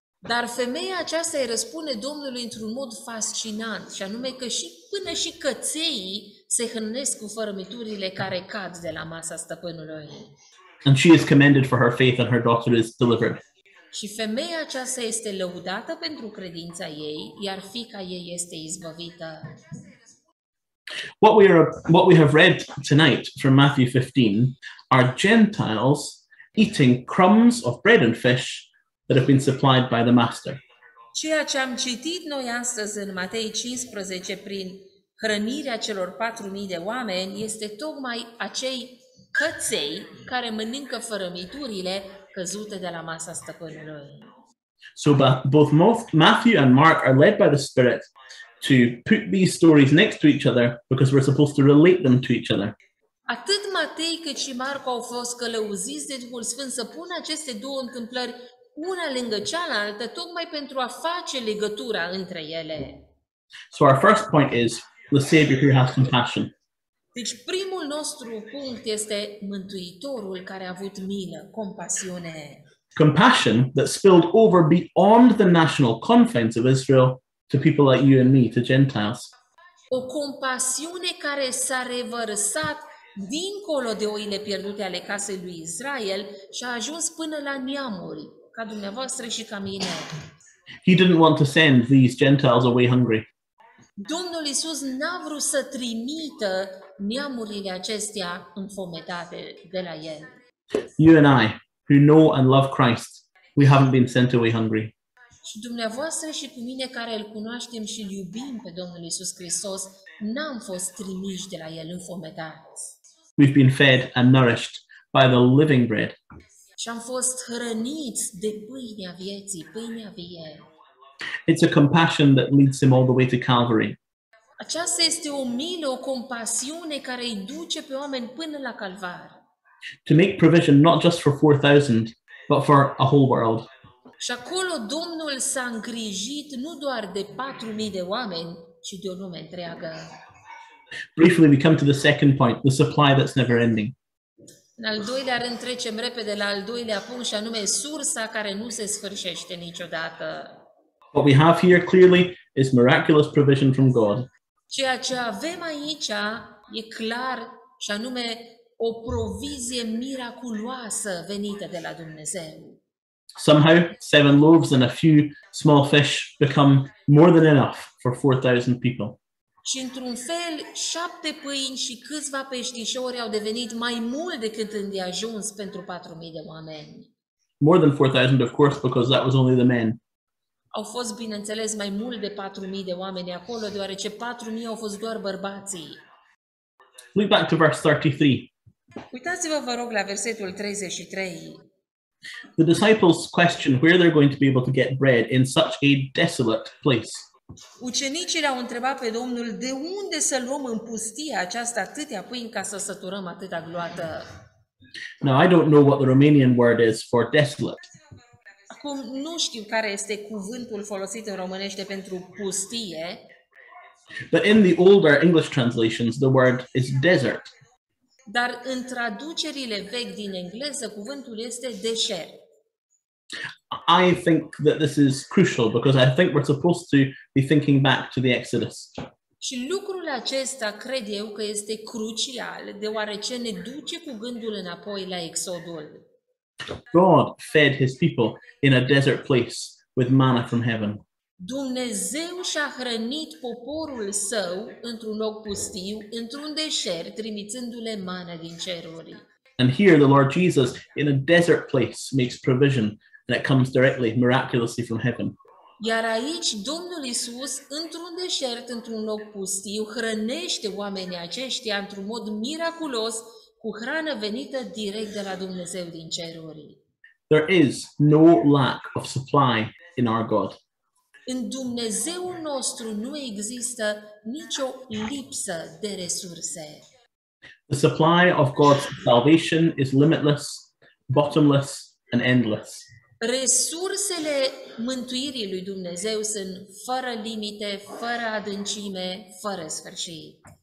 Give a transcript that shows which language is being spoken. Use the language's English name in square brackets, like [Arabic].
[Romanian] Dar femeia aceasta îi răspunde Domnului într-un mod fascinant, și anume că și până și căței se hrănesc cu fărămiturile care cad de la masa stăpânului. [English] And she is commended for her faith and her daughter is delivered. [Romanian] Și femeia aceasta este lăudată pentru credința ei, iar fiica ei este izbăvită. [English] What we have read tonight from Matthew 15 are Gentiles eating crumbs of bread and fish that have been supplied by the master. [Romanian] Ceea ce am citit noi astăzi în Matei 15 prin hrănirea celor 4000 de oameni este tocmai acei căței care mănâncă fărămiturile căzute de la masa stăpânului. [English] So both Matthew and Mark are led by the Spirit to put these stories next to each other because we're supposed to relate them to each other. [Romanian] Atât Matei cât și Marco au fost călăuziți de Duhul Sfânt să pună aceste două întâmplări una lângă cealaltă, tocmai pentru a face legătura între ele. [English] So our first point is the Savior who has compassion. [Romanian] Deci primul nostru punct este Mântuitorul care a avut milă, compasiune. [English] Compassion that spilled over beyond the national confines of Israel to people like you and me, to Gentiles. [Romanian] O compasiune care s-a revărsat dincolo de oile pierdute ale casei lui Israel și a ajuns până la neamuri, ca dumneavoastră și ca mine. [English] He didn't want to send these Gentiles away hungry. [Romanian] Domnul Iisus n-a vrut să trimită neamurile acestea înfometate de la el. [English] You and I, who know and love Christ, we haven't been sent away hungry. [Romanian] Și dumneavoastră și cu mine care îl cunoaștem și îl iubim pe Domnul Iisus Hristos, n-am fost trimiși de la el înfometați. [English] We've been fed and nourished by the living bread. [Romanian] Și am fost hrăniți de pâinea vieții, pâinea vie. [English] It's a compassion that leads him all the way to Calvary. [Romanian] Aceasta este o milă, o compasiune care îi duce pe oameni până la Calvar. [English] To make provision not just for 4,000, but for a whole world. [Romanian] Și acolo Domnul s-a îngrijit nu doar de 4,000 de oameni, ci de o lume întreagă. [English] Briefly, we come to the second point, the supply that's never ending. [Romanian] În al doilea rând trecem repede la al doilea punct și anume sursa care nu se sfârșește niciodată. [English] What we have here clearly is miraculous provision from God. [Romanian] Ceea ce avem aici e clar și anume o provizie miraculoasă venită de la Dumnezeu. [English] Somehow, 7 loaves and a few small fish become more than enough for 4,000 people. [Romanian] Și într-un fel, 7 pâini și câțiva peștișori au devenit mai mult decât îndeajuns pentru 4,000 de oameni. [English] More than 4,000, of course, because that was only the men. [Romanian] Au fost, bineînțeles, mai mult de 4,000 de oameni acolo, deoarece 4,000 au fost doar bărbații. [English] Look back to verse 33. [Romanian] Uitați-vă, vă rog, la versetul 33. [English] The disciples question where they're going to be able to get bread in such a desolate place. [Romanian] Ucenicii l-au întrebat pe Domnul de unde să luăm în pustia aceasta atâtea pâini ca să săturăm atâta gloată. [English] Now, I don't know what the Romanian word is for desolate. [Romanian] Acum nu știu care este cuvântul folosit în românește pentru pustie. [English] But in the older English translations, the word is desert. [Romanian] Dar în traducerile vechi din engleză, cuvântul este deșert. [English] I think that this is crucial because I think we're supposed to be thinking back to the Exodus. [Romanian] Și lucrul acesta cred eu că este crucial deoarece ne duce cu gândul înapoi la Exodul. [English] God fed his people in a desert place with manna from heaven. [Romanian] Dumnezeu și-a hrănit poporul său într-un loc pustiu, într-un deșert, trimițându-le mană din ceruri. [English] And here the Lord Jesus in a desert place makes provision and it comes directly miraculously from heaven. [Romanian] Iar aici Domnul Iisus într-un deșert, într-un loc pustiu, hrănește oamenii aceștia într-un mod miraculos cu hrană venită direct de la Dumnezeu din ceruri. [English] There is no lack of supply in our God. [Romanian] În Dumnezeul nostru nu există nicio lipsă de resurse. [English] The supply of God's salvation is limitless, bottomless, and endless. [Romanian] Resursele mântuirii lui Dumnezeu sunt fără limite, fără adâncime, fără sfârșit.